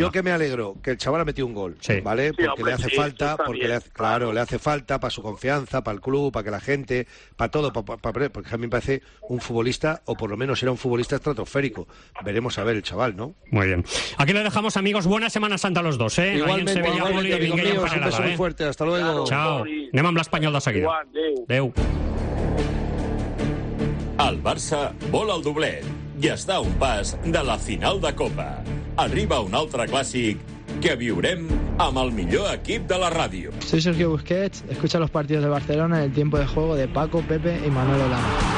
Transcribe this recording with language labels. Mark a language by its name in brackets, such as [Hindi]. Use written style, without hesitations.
[Spanish] Yo que me alegro, que el chaval ha metido un gol, ¿vale? Porque le hace falta, le hace falta para su confianza, para el club, para que la gente, para todo, porque a mí me parece un futbolista, o por lo menos era un futbolista estratosférico. Veremos a ver el chaval, ¿no? Muy bien. Aquí le dejamos, amigos. Buena Semana Santa a los dos, ¿eh? Igualmente, ahí en Sevilla, Poli, y Vinguella, en Paralada, ¿eh? Un beso muy fuerte. Hasta luego. Claro, chao. [Catalan] Anem amb l'Espanyol de seguida. Adeu. El Barça vol el doblet i està un pas de la final de Copa. Arriba un altre clàssic que viurem amb el millor equip de la ràdio. [Spanish] Soy Sergio Busquets, escucha los partidos de Barcelona en el Tiempo de Juego de Paco, Pepe y Manolo Lama.